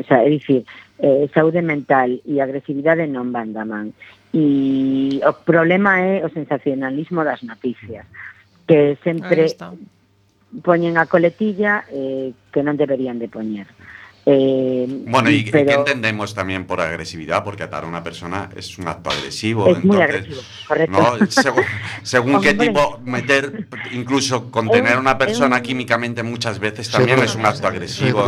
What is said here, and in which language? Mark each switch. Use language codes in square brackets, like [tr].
[gl] O sea, é dicir, saúde mental e agresividade non van da man. E o problema é o sensacionalismo das noticias, que sempre poñen a coletilla que non deberían de poñer. [es] Pero, ¿qué entendemos también por agresividad? Porque atar a una persona es un acto agresivo. Es entonces, muy agresivo, correcto. ¿No? Según qué tipo, meter, incluso contener a una persona químicamente muchas veces también es un acto agresivo.